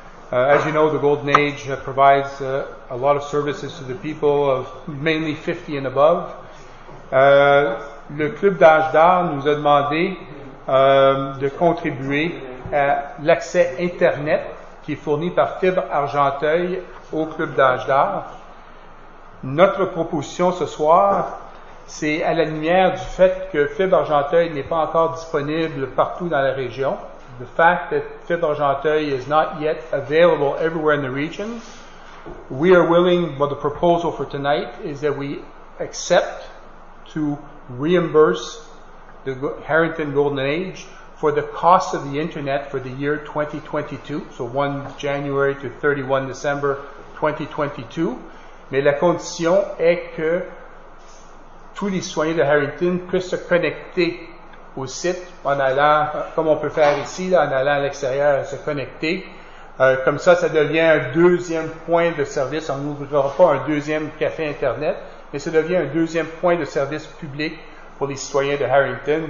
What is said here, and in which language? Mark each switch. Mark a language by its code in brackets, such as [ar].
[en] As you know, the Golden Age provides a lot of services to the people of mainly 50 and above. [fr] Le Club d'âge d'art nous a demandé de contribuer l'accès Internet qui est fourni par Fibre Argenteuil au Club d'âge d'art. Notre proposition ce soir, c'est à la lumière du fait que Fibre Argenteuil n'est pas encore disponible partout dans la région. [en] The fact that Fibre Argenteuil is not yet available everywhere in the region. We are willing, but the proposal for tonight is that we accept to reimburse the Harrington Golden Age for the cost of the internet for the year 2022, so 1 January to 31 December 2022. [fr] Mais la condition est que tous les soignants de Harrington puissent se connecter au site en allant, comme on peut faire ici, là, en allant à l'extérieur, se connecter. Comme ça, ça devient un deuxième point de service. On n'ouvrira pas un deuxième café Internet, mais ça devient un deuxième point de service public pour les citoyens de Harrington.